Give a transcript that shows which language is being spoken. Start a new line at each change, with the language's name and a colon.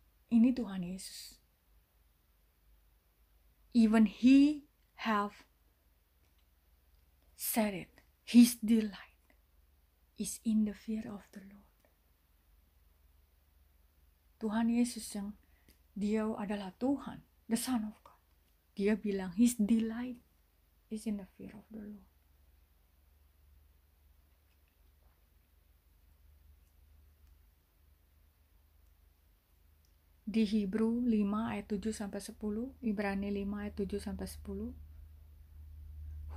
Indonesian: Ini Tuhan Yesus.
English: Even he have said it, his delight is in the fear of the Lord.
Indonesian: Tuhan Yesus yang dia adalah Tuhan,
English: the Son of God.
Indonesian: Dia bilang
English: his delight is in the fear of the Lord.
Indonesian: Di Hebreu 5 ayat 7 sampai 10, Ibrani 5 ayat 7 sampai 10.